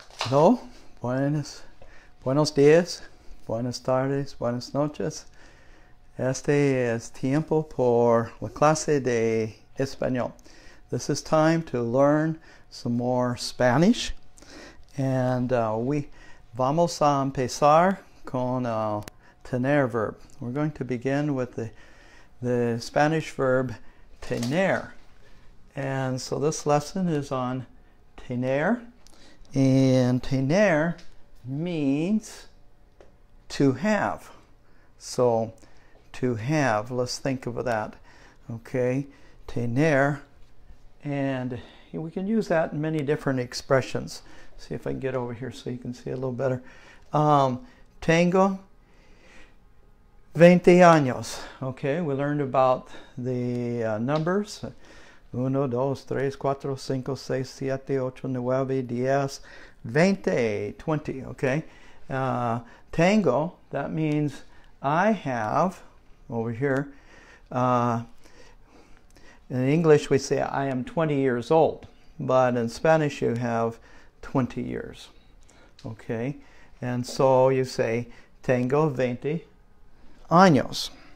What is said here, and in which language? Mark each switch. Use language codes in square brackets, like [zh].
[es] No, buenos días, buenas tardes, buenas noches. Este es tiempo por la clase de español. [en] This is time to learn some more Spanish. And we [es] vamos a empezar con el tener verb. [en] We're going to begin with the Spanish verb tener. And so this lesson is on tener. And tener means to have. So to have, let's think of that. Okay, tener. And we can use that in many different expressions. See if I can get over here so you can see a little better. [es] Tengo 20 años. [en] Okay, we learned about the numbers. [es] Uno, dos, tres, cuatro, cinco, seis, siete, ocho, nueve, diez, veinte, 20, okay? [en] Tengo, that means I have, over here. In English, we say I am 20 years old, but in Spanish, you have 20 years, okay? And so you say, [es] tengo 20 años.